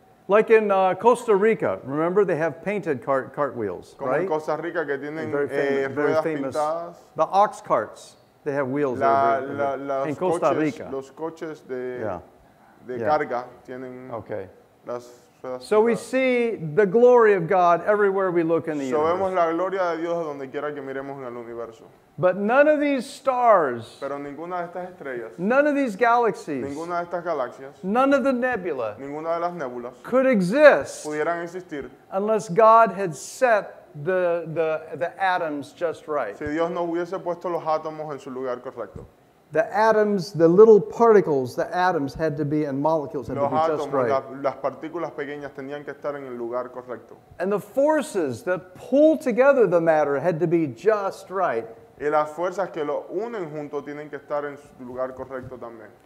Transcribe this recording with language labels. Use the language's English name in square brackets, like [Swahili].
[English] Like in Costa Rica, remember they have painted cartwheels, [Spanish] como [English] right? [Spanish] Como en Costa Rica que tienen ruedas pintadas. [English] The ox carts. They have wheels in Costa Rica. [Spanish] Los coches de carga tienen las ruedas. [English] So we see the glory of God everywhere we look in the universe. [Spanish] Vemos la gloria de Dios donde quiera que miremos en el universo. [English] But none of these stars, [Spanish] pero ninguna de estas estrellas, [English] none of these galaxies, [Spanish] ninguna de estas galaxias, [English] none of the nebula, [Spanish] ninguna de las nebulas, [English] could exist [Spanish] pudieran existir [English] unless God had set the atoms just right. [Spanish] Si Dios no hubiese puesto los átomos en su lugar correcto. [English] The atoms, the little particles, the atoms had to be in molecules had [Spanish] los [English] to be [Spanish] átomos, [English] just right. [Spanish] Las partículas pequeñas tenían que estar en el lugar correcto. [English] And the forces that pull together the matter had to be just right. [Spanish] Y las fuerzas que lo unen junto tienen que estar en su lugar correcto también.